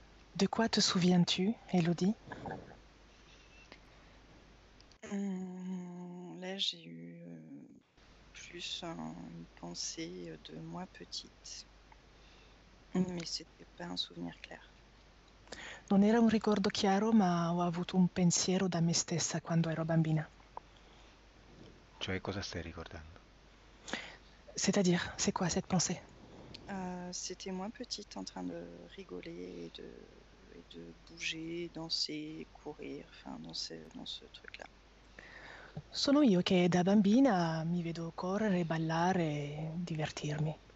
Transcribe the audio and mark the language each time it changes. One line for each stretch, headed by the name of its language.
French: De quoi te souviens-tu, Élodie? Là, j'ai eu plus une pensée de moi petite, mais c'était pas un souvenir clair.
Italian: Non era un ricordo chiaro, ma ho avuto un pensiero da me stessa quando ero bambina. Cioè, cosa stai ricordando?
French: C'est-à-dire, c'est quoi cette pensée? C'était moi petite en train de rigoler et de bouger, danser, courir, enfin dans ce truc-là.
Italian: Sono io che da bambina mi vedo correre, ballare, divertirmi.